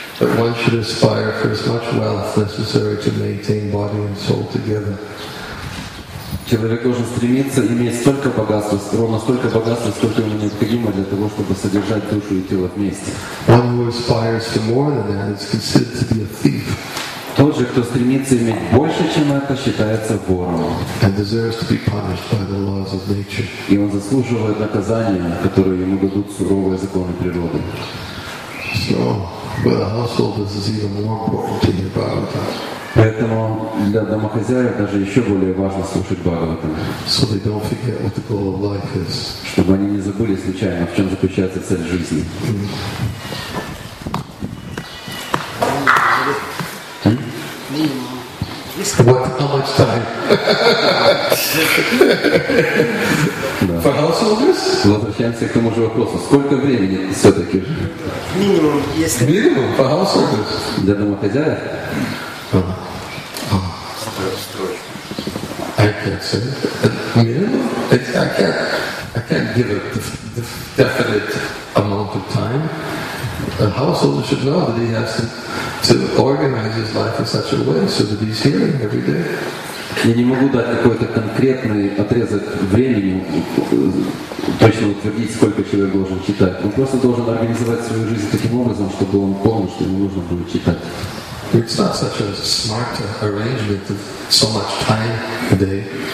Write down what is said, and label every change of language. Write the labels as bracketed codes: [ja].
[en] But one should aspire for as much wealth necessary to maintain body and soul together. [ru] Человек должен стремиться иметь столько богатства, ровно столько богатства, сколько ему необходимо для того, чтобы содержать душу и тело вместе. [en] One who aspires to more than that is considered to be a thief. [ru] Тот же, кто стремится иметь больше, чем это, считается вором. [en] And deserves to be punished by the laws of nature. [ru] И он заслуживает наказания, которое ему дадут суровые законы природы. [en] So, with a household, this is even more important to hear Bhagavatam. [ru] Поэтому для домохозяев даже еще более важно слушать Бхагаватам. [en] So they don't forget what the goal of life is. [ru] Чтобы они не забыли случайно, в чем заключается цель жизни. [en] How much time? For householders? [ru] Возвращаемся к тому же вопросу. Сколько времени все-таки? Минимум, если... Минимум? [en] For householders? [ru] Для домохозяев? [en] I can't say it. I can't give it the definite amount of time. A householder should know that he has to organize his life in such a way so that he's hearing every day. [ru] Я не могу дать какой-то конкретный отрезок времени, точно утвердить, сколько человек должен читать. Он просто должен организовать свою жизнь таким образом, чтобы он понял, что ему нужно будет читать. [en] It's not such a smart arrangement of so much time a day.